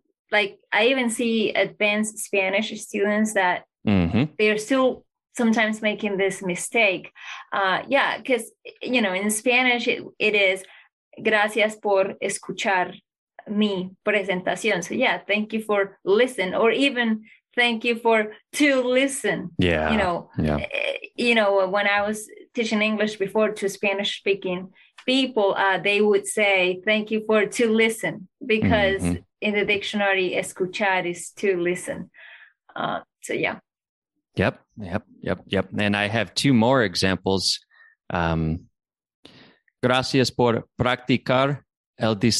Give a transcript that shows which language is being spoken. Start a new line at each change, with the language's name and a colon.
English: Like I even see advanced Spanish students that they're still sometimes making this mistake. Yeah, because, you know, in Spanish, it is...
Spanish: Gracias por escuchar mi presentación.
English: So yeah, thank you for listen, or even thank you for to listen. Yeah, you know, you know, when I was teaching English before to Spanish speaking people, they would say thank you for to listen, because in the dictionary, escuchar is to listen. So yeah. Yep. And I have two more examples.
Spanish: Gracias por practicar el